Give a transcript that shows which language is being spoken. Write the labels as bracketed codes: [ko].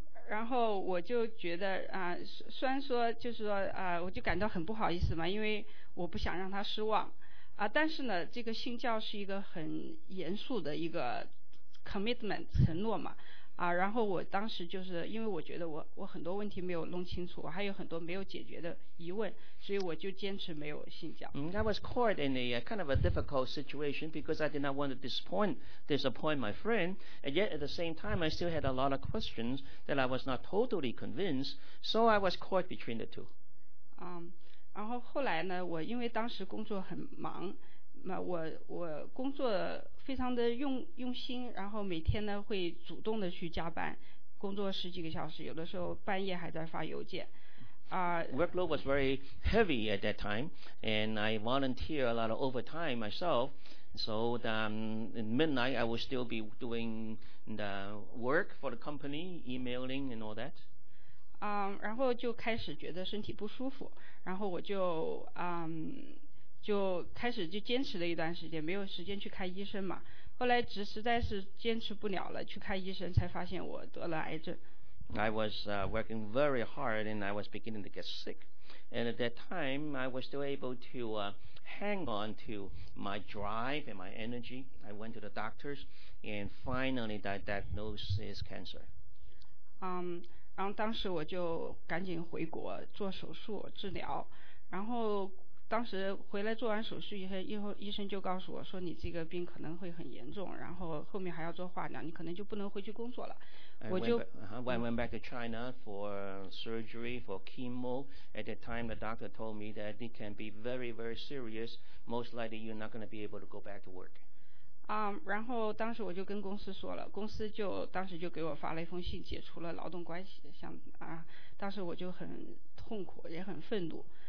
[zh] 然后我就觉得虽然说就是说我就感到很不好意思嘛，因为我不想让他失望但是呢，这个信教是一个很严肃的一个 commitment 承诺嘛然后我当时就是因为我觉得我很多问题没有弄清楚，我还有很多没有解决的疑问，所以我就坚持没有信教。 [en] I was caught in a kind of a difficult situation because I did not want to disappoint my friend, and yet at the same time I still had a lot of questions that I was not totally convinced, so I was caught between the two. [zh] 然后后来呢，我因为当时工作很忙，那我工作非常的用心，然后每天呢会主动的去加班，工作十几个小时，有的时候半夜还在发邮件。 [en] Workload was very heavy at that time, and I volunteer a lot of overtime myself. So at midnight, I will still be doing the work for the company, emailing and all that. [zh] 然后就开始觉得身体不舒服，然后我就就开始就坚持了一段时间，没有时间去看医生嘛。后来实在是坚持不了了，去看医生才发现我得了癌症。 [en] I was working very hard and I was beginning to get sick. And at that time, I was still able to hang on to my drive and my energy. I went to the doctors and finally that diagnosed is cancer. [zh] 然后当时我就赶紧回国做手术治疗，然后当时回来做完手术以后，医生就告诉我说你这个病可能会很严重，然后后面还要做化疗，你可能就不能回去工作了。 [en] I went back to China for surgery for chemo. At the time, the doctor told me that it can be very, very serious. Most likely, you're not going to be able to go back to work. [zh] 然后当时我就跟公司说了，公司就当时就给我发了一封信，解除了劳动关系。当时我就很痛苦，也很愤怒。